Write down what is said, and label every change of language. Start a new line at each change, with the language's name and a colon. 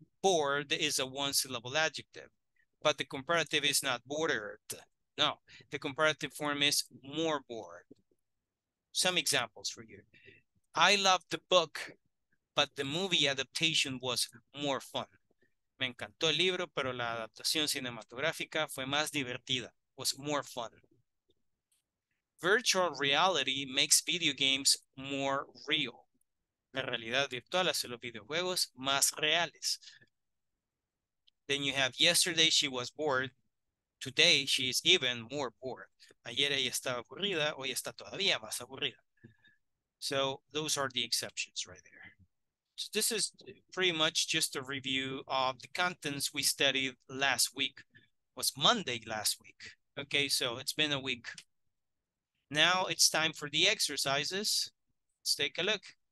English: Bored is a one syllable adjective, but the comparative is not bored. No, the comparative form is more bored. Some examples for you. I love the book, but the movie adaptation was more fun.
Spanish: Me encantó el libro, pero la adaptación cinematográfica fue más divertida.
English: Was more fun. Virtual reality makes video games more real.
Spanish: La realidad virtual hace los videojuegos más reales.
English: Then you have yesterday she was bored. Today she is even more bored.
Spanish: Ayer ella estaba aburrida, hoy está todavía más aburrida.
English: So those are the exceptions right there. So this is pretty much just a review of the contents we studied last week. It was Monday last week. Okay, so it's been a week. Now it's time for the exercises. Let's take a look.